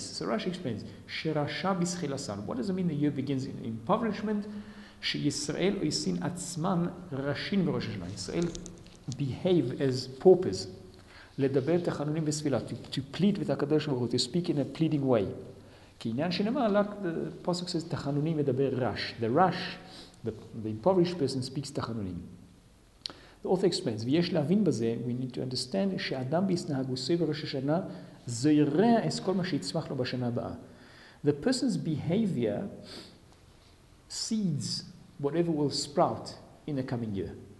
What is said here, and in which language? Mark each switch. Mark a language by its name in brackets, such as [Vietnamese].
[English] So Rashi explains, [Hebrew] Sherasha bischilasan. [English] What does it mean the year begins in impoverishment? [Hebrew] Sheyisrael oisin atzman rashin b'rosh Hashanah. [English] Yisrael behave as paupers. [Hebrew] לדבר תחנונים בספילה, [English] to plead with [Hebrew] הקדוש ברוך הוא, [English] to speak in a pleading way. [Hebrew] כי עניין שנאמר, [English] like the pasuk says, [Hebrew] תחנונים מדבר רש. [English] The rush, the impoverished person speaks תחנונים. The author explains, [Hebrew] ויש להבין בזה, [English] we need to understand, [Hebrew] שאדם בהתנהגו סביב ראש השנה, זורע את כל מה שיצמח לו בשנה הבאה. [English] The person's behavior seeds whatever will sprout in the coming year.